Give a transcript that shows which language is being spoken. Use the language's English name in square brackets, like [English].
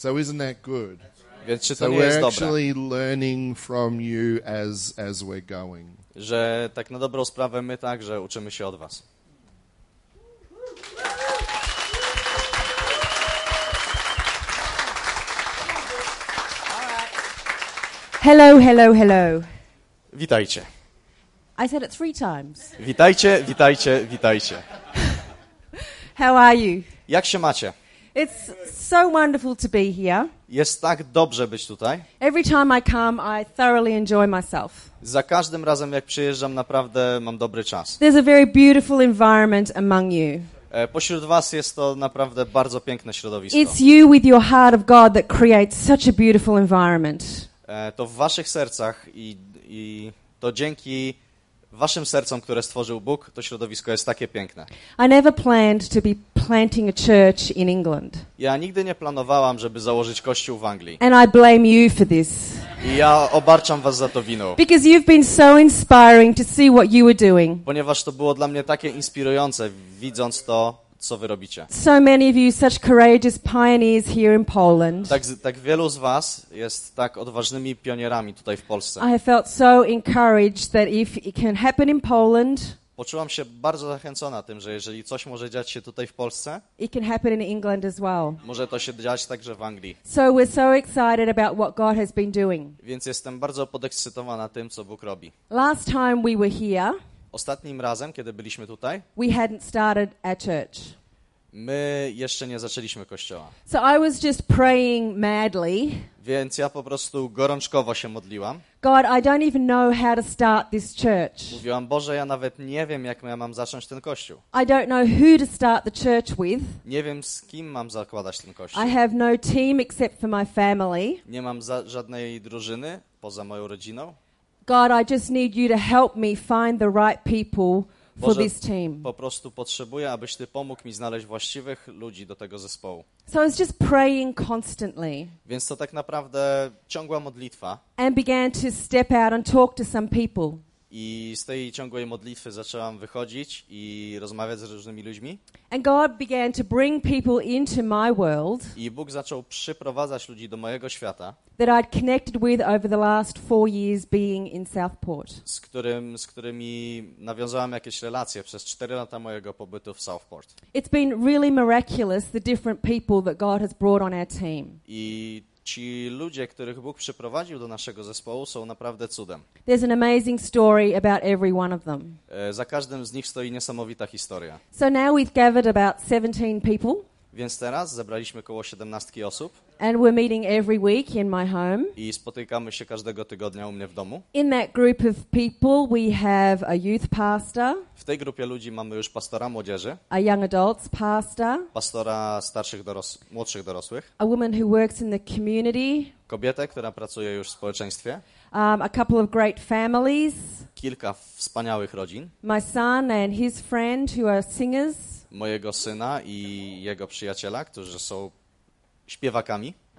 [English] So isn't that good? [Polish] Więc czy to [English] so [Polish] nie [English] we're [Polish] jest dobre? [English] Actually learning from you as we're going. [Polish] Że tak na dobrą sprawę my także uczymy się od was. [English] Hello, hello, hello. [Polish] Witajcie. [English] I said it three times. [Polish] Witajcie, witajcie, witajcie. [English] How are you? [Polish] Jak się macie? [English] It's so wonderful to be here. [Polish] Jest tak dobrze być tutaj. [English] Every time I come, I thoroughly enjoy myself. [Polish] Za każdym razem, jak przyjeżdżam, naprawdę mam dobry czas. [English] There's a very beautiful environment among you. [Polish] Pośród was jest to naprawdę bardzo piękne środowisko. [English] It's you with your heart of God that creates such a beautiful environment. [Polish] To w waszych sercach i to dzięki waszym sercom, które stworzył Bóg, to środowisko jest takie piękne. [English] I never planned to be planting a church in England. [Polish] Ja nigdy nie planowałam, żeby założyć kościół w Anglii. [English] And I blame you for this. [Polish] I ja obarczam was za to winą. [English] Because you've been so inspiring to see what you were doing. [Polish] Ponieważ to było dla mnie takie inspirujące, widząc to, co wy robicie. [English] So many of you such courageous pioneers here in Poland. [Polish] Tak wielu z was jest tak odważnymi pionierami tutaj w Polsce. [English] I felt so encouraged that if it can happen in Poland. [Polish] Poczułam się bardzo zachęcona tym, że jeżeli coś może dziać się tutaj w Polsce, [English] it can happen in England as well. [Polish] Może to się dziać także w Anglii. [English] So we're so excited about what God has been doing. [Polish] Więc jestem bardzo podekscytowana tym, co Bóg robi. [English] Last time we were here, [Polish] ostatnim razem, kiedy byliśmy tutaj, [English] we hadn't started our church. [Polish] My jeszcze nie zaczęliśmy kościoła. [English] So I was just praying madly. [Polish] Więc ja po prostu gorączkowo się modliłam. [English] God, I don't even know how to start this church. [Polish] Mówiłam, Boże, ja nawet nie wiem, jak ja mam zacząć ten kościół. [English] I don't know who to start the church with. [Polish] Nie wiem, z kim mam zakładać ten kościół. [English] I have no team except for my family. [Polish] Nie mam żadnej drużyny poza moją rodziną. [English] God, I just need you to help me find the right people for this team. [Polish] Po prostu potrzebuję, abyś ty pomógł mi znaleźć właściwych ludzi do tego zespołu. [English] So I was just praying constantly. [Polish] Więc to tak naprawdę ciągła modlitwa. [English] And began to step out and talk to some people. [Polish] I z tej ciągłej modlitwy zaczęłam wychodzić i rozmawiać z różnymi ludźmi. [English] And God began to bring people into my world. [Polish] I Bóg zaczął przyprowadzać ludzi do mojego świata. [English] That I'd connected with over the last 4 years being in Southport. [Polish] Z którymi nawiązałam jakieś relacje przez 4 lata mojego pobytu w Southport. [English] It's been really miraculous the different people that God has brought on our team. [Polish] I ci ludzie, których Bóg przyprowadził do naszego zespołu, są naprawdę cudem. [English] There's an amazing story about every one of them. [Polish] Za każdym z nich stoi niesamowita historia. [English] So now we've gathered about 17 people. [Polish] Więc teraz zebraliśmy koło 17 osób. [English] And we're meeting every week in my home. [Polish] I spotykamy się każdego tygodnia u mnie w domu. [English] In that group of people we have a youth pastor. [Polish] W tej grupie ludzi mamy już pastora młodzieży. [English] A young adults pastor. [Polish] Pastora starszych młodszych dorosłych. [English] A woman who works in the community. [Polish] Kobietę, która pracuje już w społeczeństwie. [English] A couple of great families. [Polish] Kilka wspaniałych rodzin. [English] My son and his friend who are singers. [Polish] Mojego syna i jego przyjaciela, którzy są śpiewakami.